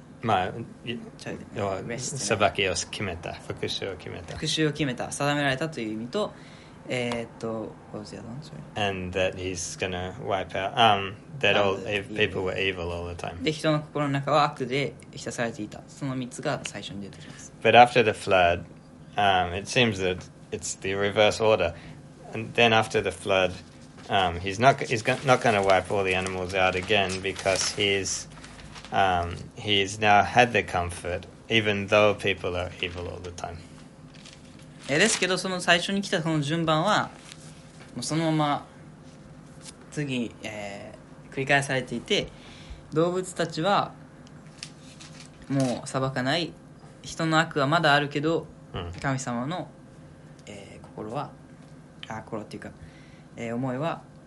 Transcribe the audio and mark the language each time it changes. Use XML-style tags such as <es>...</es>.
<ja>まあ、裁きを決めた、復讐を決めた、復讐を決めた、定められたという意味と、</ja> <en>what was the other one? Sorry. And that he's gonna wipe out, that all people were evil all the time.</en> <ja>で、人の心の中は悪で浸されていた。その3つが最初に出てきます。</ja> <en>But after the flood, it seems that it's the reverse order. And then after the flood,he's not going to wipe all the animals out again because he's now had the comfort, even though people are evil all the time.</en> <ja>ですけど、その最初に来たその順番は、もうそのまま次、繰り返されていて、動物たちはもう裁かない、人の悪はまだあるけど、神様の、心っていうか、思いは、</ja>